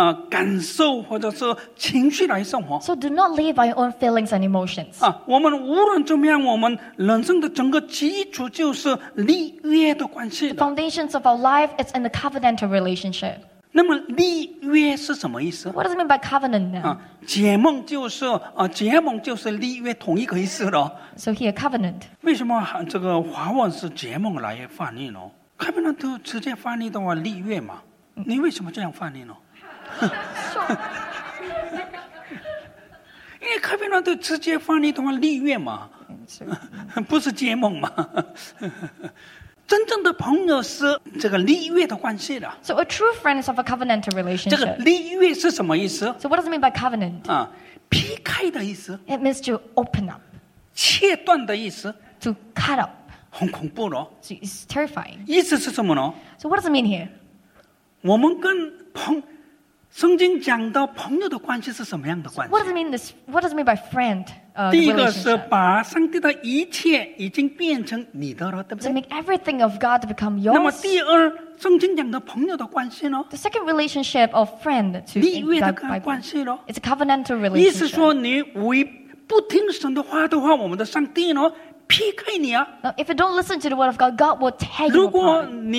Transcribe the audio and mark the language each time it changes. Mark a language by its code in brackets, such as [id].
[zh] 不要靠着自己的这个什么感受或者是情绪来生活。 [en] So do not live by your own feelings and emotions. [zh] 我们无论怎么样，我们人生的整个基础就是立约的关系。The [en] foundations of our life is in the covenantal relationship. [zh] 那么立约是什么意思？ [en] What does it mean by covenant now? [zh] 结盟就是立约同一个意思了。 [en] So here, covenant. [zh] 为什么这个华文是结盟来翻译呢？Covenant 直接翻译的话，立约嘛？你为什么这样翻译呢？因为 Covenant 直接翻译的话，立约嘛，不是结盟嘛？真正的朋友是这个立约的关系的。So [en] a true friend is of a covenantal relationship. [zh] 这个立约是什么意思 [en] ？So what does it mean by covenant? [zh] 劈开的意思。 [en] It means to open up. [zh] 切断的意思。 [en] To cut up. [zh] 很恐怖咯。 [en] It's terrifying. [zh] 意思是什么呢？ [en] So what does it mean here? [zh] 我们跟圣经讲的朋友的关系是什么样的关系？ [en] So what does it mean this? What does it mean by friend? [zh] 第一个是把上帝的一切已经变成你的了，对不对？ [en] To make everything of God to become yours. [zh] 那么第二，圣经讲的朋友的关系呢？ [en] The second relationship of friend to [zh] 立约的关系咯。 [en] It's a covenantal relationship. [zh] 意思说，你不听神的话的话，我们的上帝呢？劈开你啊！ [en] Now, if you don't listen to the word of God, God will tear you apart.